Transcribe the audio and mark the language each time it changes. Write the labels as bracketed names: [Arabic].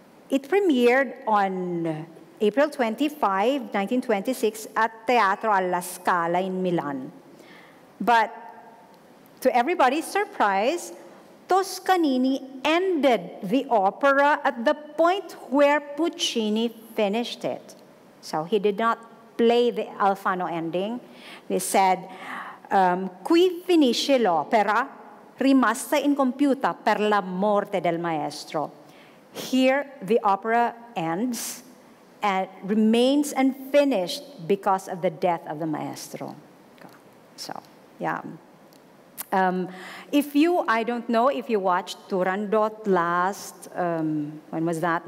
[English] It premiered on April 25, 1926, at Teatro alla Scala in Milan. But to everybody's surprise, Toscanini ended the opera at the point where Puccini finished it. So he did not play the Alfano ending. He said, [Italian] qui finisce l'opera, rimasta incompiuta per la morte del maestro. [English] Here the opera ends and remains unfinished because of the death of the maestro. So, yeah. I don't know if you watched Turandot last, when was that?